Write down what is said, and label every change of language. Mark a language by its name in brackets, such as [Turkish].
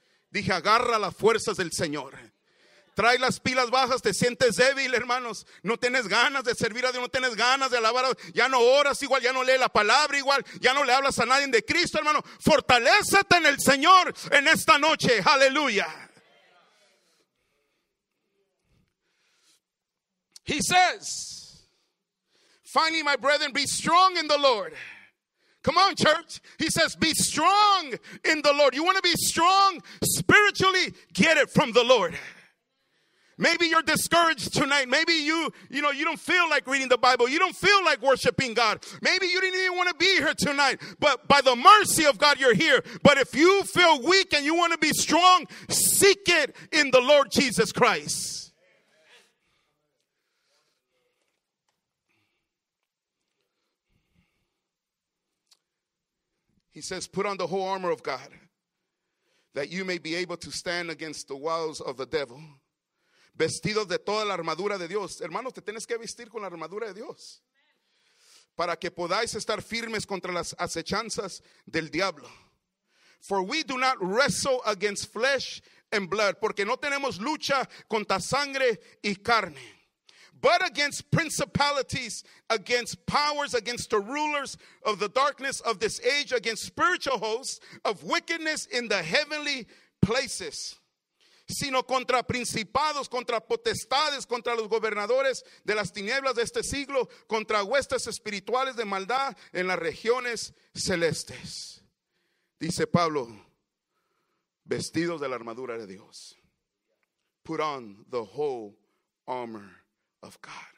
[Spanish] Dije, agarra las fuerzas del Señor. Trae las pilas bajas, te sientes débil, hermanos. No tienes ganas de servir a Dios, no tienes ganas de alabar a Dios. Ya no oras igual, ya no lees la palabra igual, ya no le hablas a nadie de Cristo, hermano. Fortalécete en el Señor en esta noche. Aleluya. [English] He says, finally, my brethren, be strong in the Lord. Come on, church. He says, be strong in the Lord. You want to be strong spiritually? Get it from the Lord. Maybe you're discouraged tonight. Maybe you don't feel like reading the Bible. You don't feel like worshiping God. Maybe you didn't even want to be here tonight. But by the mercy of God, you're here. But if you feel weak and you want to be strong, seek it in the Lord Jesus Christ. He says, put on the whole armor of God that you may be able to stand against the wiles of the devil. [Spanish] Vestidos de toda la armadura de Dios. Hermanos, te tienes que vestir con la armadura de Dios. para que podáis estar firmes contra las acechanzas del diablo. [English] For we do not wrestle against flesh and blood, [Spanish] porque no tenemos lucha contra sangre y carne, [English] but against principalities, against powers, against the rulers of the darkness of this age, against spiritual hosts of wickedness in the heavenly places. [Spanish] Sino contra principados, contra potestades, contra los gobernadores de las tinieblas de este siglo, contra huestes espirituales de maldad en las regiones celestes. Dice Pablo, vestidos de la armadura de Dios. [English] Put on the whole armor of God.